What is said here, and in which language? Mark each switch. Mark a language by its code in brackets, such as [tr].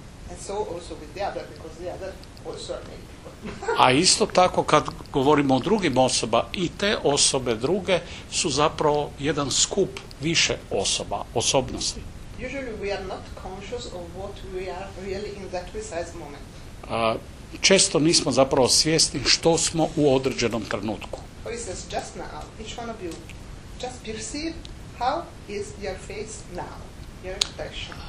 [en] And so also with the other, because the other also are many people. [hr] A isto tako kad govorimo o drugim osoba, i te osobe druge su zapravo jedan skup više osoba, osobnosti. [en] Usually we are not conscious of what we are really in that precise moment. [hr] često nismo zapravo svjesni što smo u određenom trenutku. [en] Oh, it says just now, each one of you, just perceive how is your face now, your expression.